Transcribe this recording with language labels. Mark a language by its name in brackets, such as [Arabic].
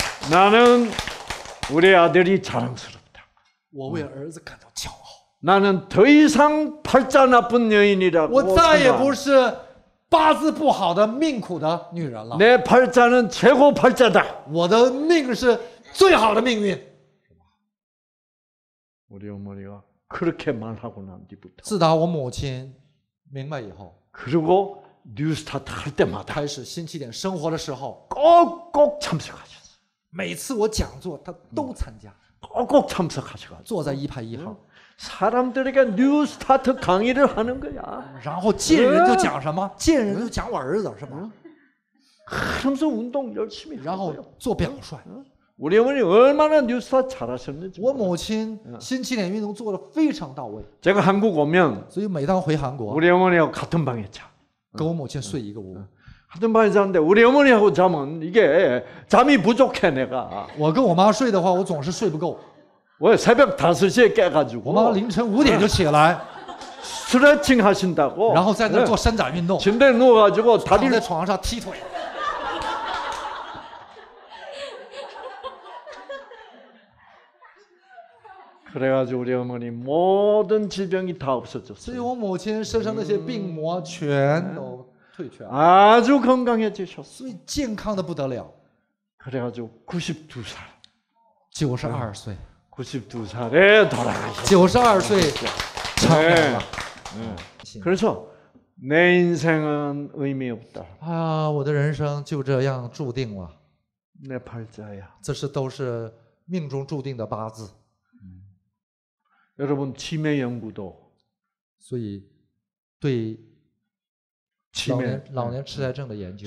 [Korean] 나는 우리 아들이 자랑스럽다. [Chinese] 我为儿子感到骄傲。 [Korean] 나는 더 이상 팔자 나쁜 여인이라고. [Chinese] 我再也不是 八字不好的命苦的女人了。 [Korean] 내 팔자는 최고 팔자다. [Chinese] 我的命是最好的命运。 [Korean] 우리 어머니가 그렇게 말하고 난 뒤부터. [Chinese] 自打我母亲明白以后。 [Korean] 그리고 뉴스타트 할 때마다. [Chinese] 开始新起点生活的时候。 [Korean] 꼭꼭 참석하셨어. [Chinese] 每次我讲座，他都参加。 [Korean] 꼭꼭 참석하셔가지고. [Chinese] 坐在一排一号。 [Korean] 사람들에게 뉴스타트 강의를 하는 거야. [Chinese] 然后见人就讲什么？见人就讲我儿子是吗？ [Korean] 하면서 운동 열심히. [Chinese] 然后做表率。 [Korean] 우리 어머니 얼마나 뉴스타트 잘하셨는지. [Chinese] 我母亲新起点运动做得非常到位。 [Korean] 제가 한국 오면. [Chinese] 所以每当回韩国。 [Korean] 우리 어머니하고 같은 방에 자. [Chinese] 跟我母亲睡一个屋。 [Korean] 같은 방에 자는데 우리 어머니하고 자면 이게 잠이 부족해 내가. [Chinese] 我跟我妈睡的话，我总是睡不够。 [Korean] 왜 새벽 5시에 깨가지고 [Chinese] 我妈凌晨5点就起来 [Korean] 스트레칭 하신다고 [Chinese] 然后在那做伸展运动 [Korean] 침대에 누워가지고 다리를 [Chinese] 床上踢腿 [Korean] 그래가지고 우리 어머니 모든 질병이 다 없어졌어요. [Chinese] 所以我母亲身上那些病魔全都退却。 [Korean] 아주 건강해지셨어요. [Chinese] 所以健康的不得了。 [Korean] 그래가지고 92살 [Chinese] 92岁 [Korean] 92살에 돌아가셨어요. 92세 장례. 그래서 내 인생은 의미 없다. [Chinese] 我的人生就这样注定了。 [Korean] 내 팔자야. [Chinese] 这是都是命中注定的八字。 [Korean] 여러분 치매 연구도. [Chinese] 所以对 [Korean] 치매 [Chinese] 老年痴呆症的研究。